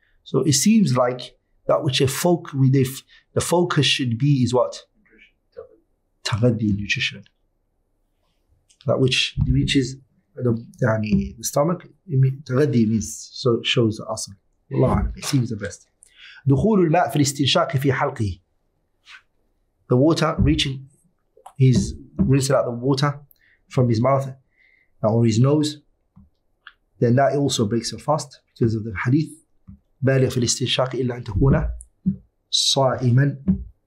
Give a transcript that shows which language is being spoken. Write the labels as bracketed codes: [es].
[en] So it seems like that which the focus should be is what. تغذي nutrition. That which reaches the stomach, تغذي means so it shows the asal. Allah Alam, it seems the best. [ar] دخول الماء في الاستنشاق في حلقه. [en] The water reaching, he's rinsing out the water from his mouth or his nose, then that also breaks your fast because of the hadith. [ar] بالغ في الاستنشاق إلا أن تكون صائما.